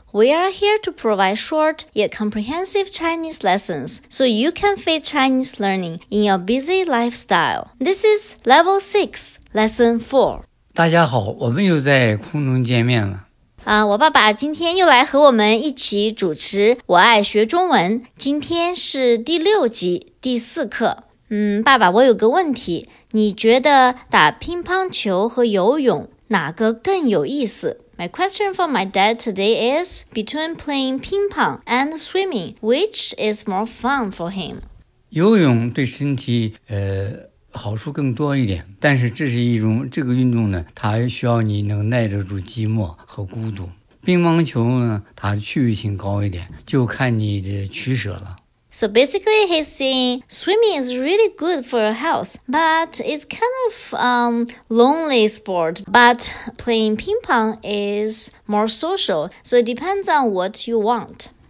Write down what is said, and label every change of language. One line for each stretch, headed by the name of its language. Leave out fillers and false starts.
English: We are here to provide short yet comprehensive Chinese lessons so you can fit Chinese learning in your busy lifestyle. This is Level 6, Lesson 4.
Chinese: 大家好，我们又在空中见面了。我爸爸今天又来和我们一起主持我爱学中文，今天是第六集第四课。爸爸，我有个问题，你觉得打乒乓球和游泳哪个更有意思？
English: My question for my dad today is, between playing ping pong and swimming, which is more fun for him?
Chinese: 游泳对身体好处更多一点，但是这个运动呢，它需要你能耐得住寂寞和孤独。乒乓球呢，它趣味性高一点，就看你的取舍了。
English: So basically, he's saying swimming is really good for your health, but it's kind of lonely sport. But playing ping pong is more social, so it depends on what you want.